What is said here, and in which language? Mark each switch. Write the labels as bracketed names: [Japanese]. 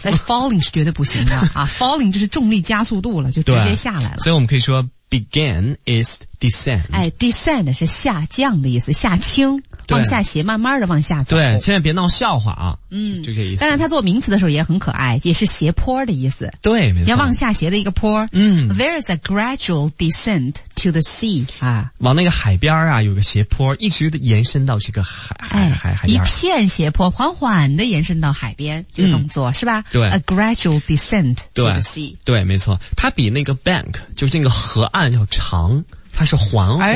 [Chinese] 哎、falling 是绝对不行的啊 falling 就是重力加速度了就直接下来了，所以我们可以说 [English] Begin is descend。 [Chinese] 哎 ，descend 是下降的意思，下倾，往下斜，慢慢的往下走。对，千万别闹笑话啊。嗯，就这意思。当然，它做名词的时候也很可爱，也是斜坡的意思。对，没错。要往下斜的一个坡。嗯。 [English] There is a gradual descent to the sea 啊。 [Chinese] 往那个海边啊，有个斜坡，一直延伸到这个海边。一片斜坡，缓缓的延伸到海边，这个动作、嗯、是吧？对。 [English] A gradual descent to the sea [Chinese] 对。对，没错。它比那个 bank 就是那个河岸。岸要长，它是缓缓，